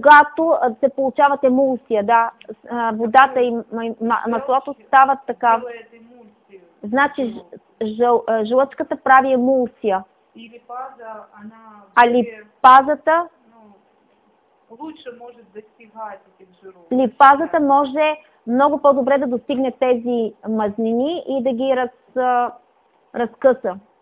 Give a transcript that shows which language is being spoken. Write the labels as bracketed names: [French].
[Bulgarian] Когато се получават емулсия, да, водата и маслото стават така. Значи жлъчката прави емулсия. [Russian] И липаза, она... [Bulgarian] А липазата... [Russian] лучше может достигать этих жиров. [Bulgarian] Липазата може много по-добре да достигне тези мазнини и да ги разкъса.